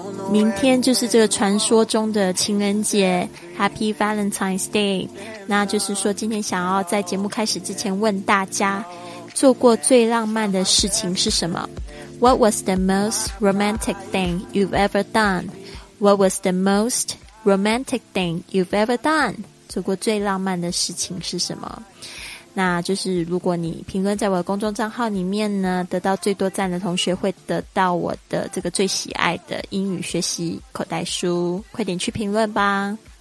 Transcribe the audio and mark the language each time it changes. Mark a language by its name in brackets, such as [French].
[Chinese] 明天就是这个传说中的情人节 [English] Happy Valentine's Day。 [Chinese] 那就是说今天想要在节目开始之前问大家，做过最浪漫的事情是什么？ [English] What was the most romantic thing you've ever done? What was the most romantic thing you've ever done? [Chinese] 做过最浪漫的事情是什么？那就是如果你评论在我的公众账号里面呢，得到最多赞的同学会得到我的这个最喜爱的英语学习口袋书，快点去评论吧。